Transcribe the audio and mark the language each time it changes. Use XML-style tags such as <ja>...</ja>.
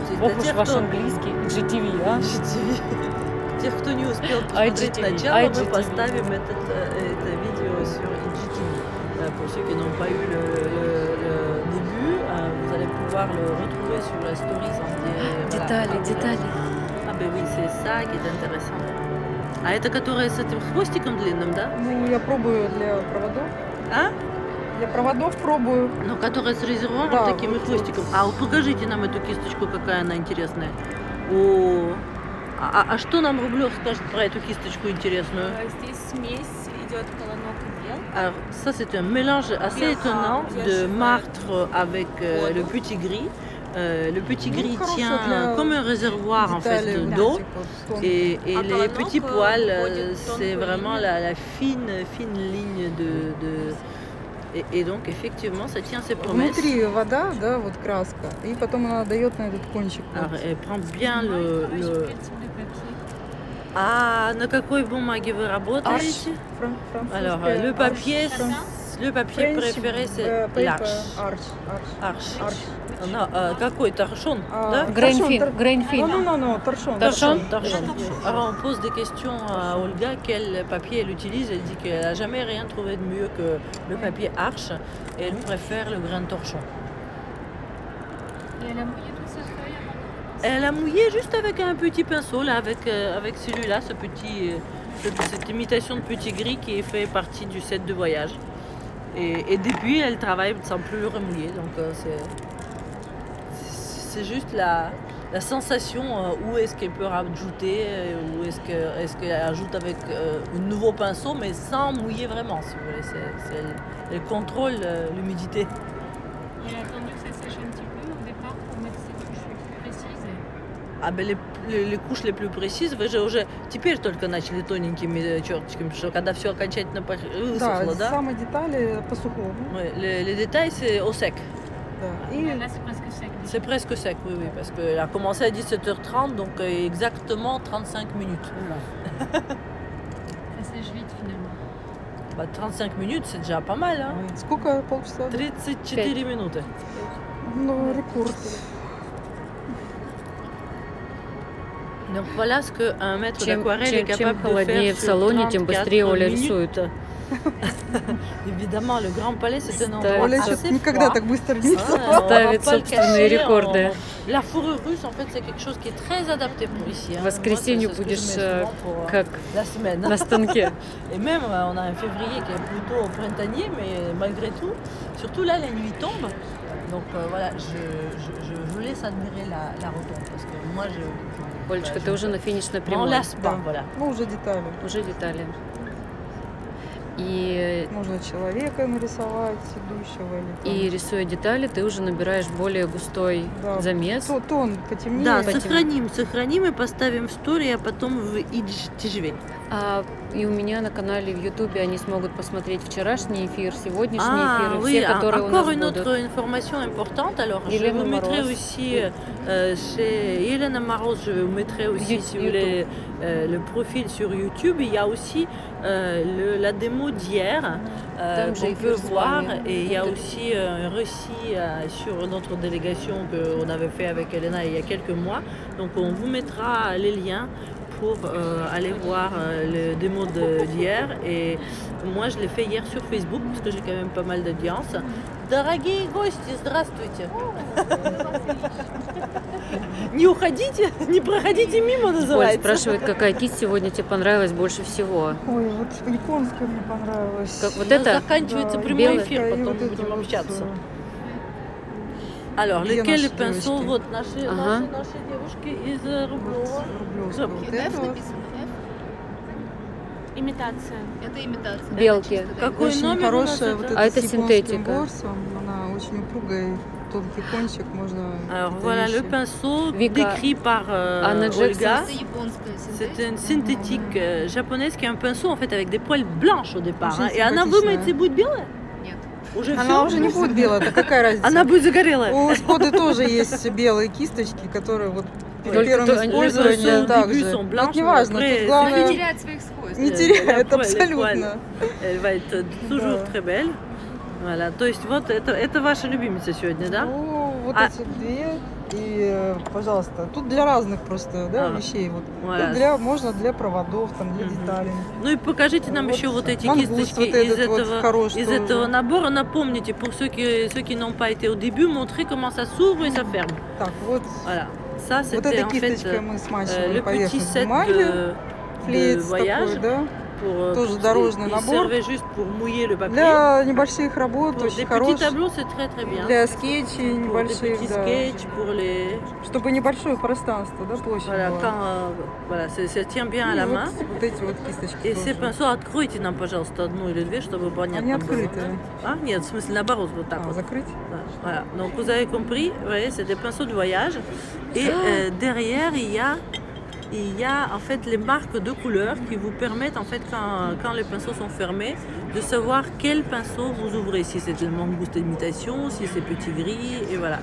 <ru>ох уж ваш английский, IGTV, а? IGTV. Тех, кто не успел посмотреть начало, мы поставим это видео с IGTV.</ru> <fr>Pour ceux qui n'ont pas eu le début, vous allez pouvoir le retrouver sur la story.</fr> <ru>Детали.</ru> <fr>Ah ben oui, c'est ça qui est intéressant.</fr> <ru>А это которая с этим хвостиком длинным, да? Ну, я пробую для проводов. А? Для проводов пробую. Ну, которая с резервуаром, да, таким вот хвостиком. А вот покажите нам эту кисточку, какая она интересная. О, а что нам Рублев скажет про эту кисточку интересную? Здесь смесь идет колонок и бел.</ru> <fr>А, ça, c'est un mélange assez étonnant de martre avec le petit gris. Le petit gris tient comme un réservoir en fait d'eau et les petits poils, c'est vraiment la fine ligne de Et donc, effectivement, ça tient ses promesses.</fr> <ru>Внутри вода, да, вот краска. И потом она дает на этот кончик.</ru> <fr>Alors, elle prend bien le...</fr> <ru>А на какой бумаге вы работаете?</ru> <fr>Arche. Alors, le papier, le papier préféré, c'est l'arche. Arche.</fr> <ru>Arche. Она, какой? Торшон? Да? Грейнфин. Торшон. Торшон.</ru> <fr>Alors, on pose des questions à Olga, quel papier elle utilise. Elle dit qu'elle n'a jamais rien trouvé de mieux que le papier Arche. Et elle préfère le grain de torchon. Et elle a mouillé toute sa feuille. Elle a mouillé juste avec un petit pinceau, là, avec celui-là, cette imitation de petit gris qui fait partie du set de voyage. Et depuis, elle travaille sans plus le remouiller. Donc, c'est... C'est juste la sensation où est-ce qu'elle peut rajouter, où est-ce qu'elle ajoute avec un nouveau pinceau, mais sans mouiller vraiment, si vous voulez. Elle contrôle l'humidité. Et elle a attendu que ça sèche un petit peu au départ pour mettre ses couches plus précises. Ah ben les couches les plus précises,</fr> <ru>вы же уже теперь только начали тоненькими черточками, потому что когда все окончательно высохло, да? Да, самые детали по-сухому.</ru> <fr>Les détails, c'est au sec. Et là, c'est presque sec. C'est presque sec, oui, parce qu'elle a commencé à 17h30, donc exactement 35 minutes. Ça sèche vite, finalement. Bah, 35 minutes, c'est déjà pas mal. Hein? Oui.</fr> <ru>Сколько, полчаса?</ru> <fr>34 minutes. Non, record. Donc voilà ce qu'un maître d'aquarelle est capable de faire.</fr> <ru>Чем холоднее в салоне, тем быстрее Оля рисует.</ru> <fr>Évidemment, le Grand Palais, c'est un endroit assez froid.</fr> <ru>Никогда так быстро не рисовала. Ставит собственные рекорды.</ru> <fr>La fourrure russe, en fait, c'est quelque chose qui est très adapté pour ici.</fr> <ru>В воскресенье будешь как на станке.</ru> <fr>Et même, on a un février qui est plutôt printanier, mais malgré tout, surtout là, la nuit tombe. Donc voilà, je vous laisse admirer la rotonde, parce que moi, je...</fr> <ru>Олечка, ты уже на финишной прямой.</ru> <fr>On lasse pas, voilà.</fr> <ru>Ну, уже детали. Уже детали. И можно человека нарисовать, идущего или там. И рисуя детали, ты уже набираешь более густой, да, замес. Тон потемнее. Да, сохраним и поставим в стори, а потом в идж тяжелее. И у меня на канале в Ютубе они смогут посмотреть вчерашний эфир, сегодняшний эфир, и все, которые у нас будут.</ru> <fr>Encore une autre information importante, alors je vous mettrai aussi chez Elena Maros, je vous mettrai aussi si vous voulez le profil sur YouTube. Il y a aussi la démo d'hier qu'on peut voir, et il y a aussi un récit sur notre délégation qu'on avait fait avec Elena il y a quelques mois. Donc on vous mettra les liens pour aller voir le démo d'hier. Et moi, je l'ai fait hier sur Facebook, parce que j'ai quand même pas mal d'audience.</fr> <ru>Дорогие гости, здравствуйте! Не уходите, не проходите мимо, называется. Оль спрашивает, какая кисть сегодня тебе понравилась больше всего. Ой, вот японская мне понравилась. Как вот это? Заканчивается прямой эфир, потом будем общаться. Алло, лекель пенсул, вот наши девушки из Рублёвска. Имитация. Это имитация. Белки. Какой номер хороший, у нас вот это? А это синтетика. Борсом, она очень упругая, тонкий кончик, можно...</ru> <fr>Voilà, le pinceau décrit par Olga. C'est une synthétique japonaise qui est un pinceau, en fait, avec des poils blanches au départ.</fr> <ru>Очень симпатичная. Et она вымоет и будет белая? Уже она все, уже не будет белая, так какая разница? Она будет загорелая. У Skoda тоже есть белые кисточки, которые вот при первом использовании также. Это не важно, тут главное... Не теряет своих свойств. Не теряет, абсолютно.</ru> <fr>Elle va être toujours très belle. Voilà.</fr> <ru>То есть вот это ваша любимица сегодня, да? Ну, вот эти две. И, пожалуйста, тут для разных просто, да, вещей. Вот. Для, можно для проводов, там, для деталей. Ну и покажите нам вот еще вот эти мангуст, кисточки вот из, этого, вот из этого набора. Напомните,</ru> <fr>pour ceux qui n'ont pas été au début, montrez comment ça s'ouvre et ça ferme.</fr> <ru>Так, вот.</ru> <fr>Voilà. Ça,</fr> <ru>вот этой кисточкой</ru> <fr>fait,</fr> <ru>мы смачивали поверхность бумаги. Флиц такой, да. Тоже дорожный набор. Для небольших работ очень хороший. Для скетчей небольших, да. Чтобы небольшое пространство, да, площадь была. Вот эти вот кисточки тоже. И все, откройте нам, пожалуйста, одну или две, чтобы понятно было. Они открыты. А, нет, в смысле, наоборот, вот так вот. А, закрыть? Да.</ru> <fr>Donc, vous avez compris, vous voyez, c'est des pinceaux de voyage. Et derrière, il y a... Il y a en fait les marques de couleurs qui vous permettent en fait quand les pinceaux sont fermés de savoir quel pinceau vous ouvrez, si c'est le mangouste imitation, si c'est petit gris, et voilà.</fr>